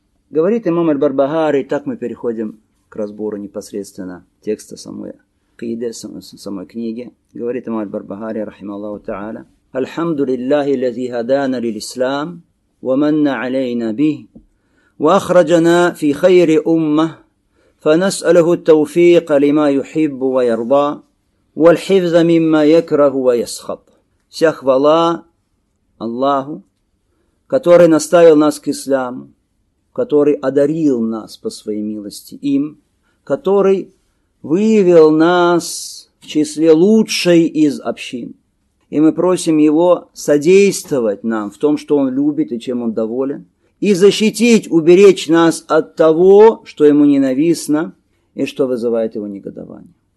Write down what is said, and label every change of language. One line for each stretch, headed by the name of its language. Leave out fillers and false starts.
Russian: Говорит имам Аль-Барбахари, и так мы переходим к разбору непосредственно текста самой акиды, самой книги. Говорит имам
Arabic: Аль-Барбахари, рахималлаху та'аля, «Альхамду лиллахи лази хадана лил-ислам, ва манна алейна бих, ва ахраджана фи хайри умма». فنسأله التوفيق لما يحب ويرضى والحفظ مما يكره ويسخط.
Russian: Вся хвала Аллаху, который наставил нас к исламу, который одарил нас по своей милости им, который вывел нас в числе лучшей из общин. И мы просим его содействовать нам в том, что он любит и чем он доволен, и защитить, уберечь нас от того, что ему ненавистно и что вызывает его негодование.